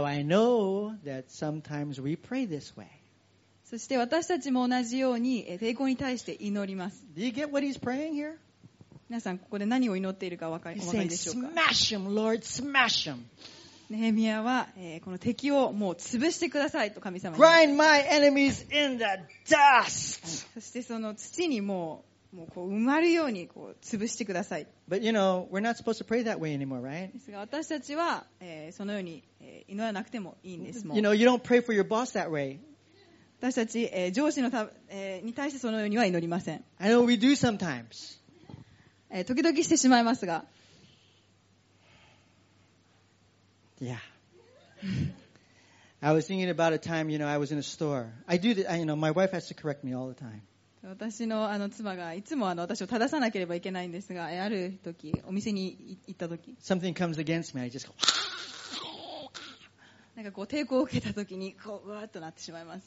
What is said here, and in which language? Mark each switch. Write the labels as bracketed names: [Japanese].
[English] Now I know that sometimes we pray this way. [Japanese] そして私たちも同じように、抵抗に対して祈ります。 [English] Do you get what he's praying here? [Japanese] 皆さんここで何を祈っているかお分かりでしょうか。 [English] He's saying, smash him, Lord, smash him. [Japanese] ネヘミヤは、この敵をもう潰してくださいと神様に。 [English] Grind my enemies in the dust. [Japanese] そしてその土にもうこう埋まるようにこう潰してください。 [English] But you know, we're not supposed to pray that way anymore, right? [Japanese] ですが私たちは、そのように、祈らなくてもいいんですもん。 [English] You know, you don't pray for your boss that way. [Japanese] 私たち、上司のた、に対してそのようには祈りません。 [English] I know we do sometimes. [Japanese] 時々してしまいますが。 [English] Yeah. I was thinking about a time, you know, I was in a store. I do that, you know, my wife has to correct me all the time. [Japanese] 私 の, あの妻がいつもあの私を正さなければいけないんですが、ある時お店に行った時、 [English] Something comes against me, I just go, [Japanese] なんかこう抵抗を受けた時にこうわーっとなってしまいます。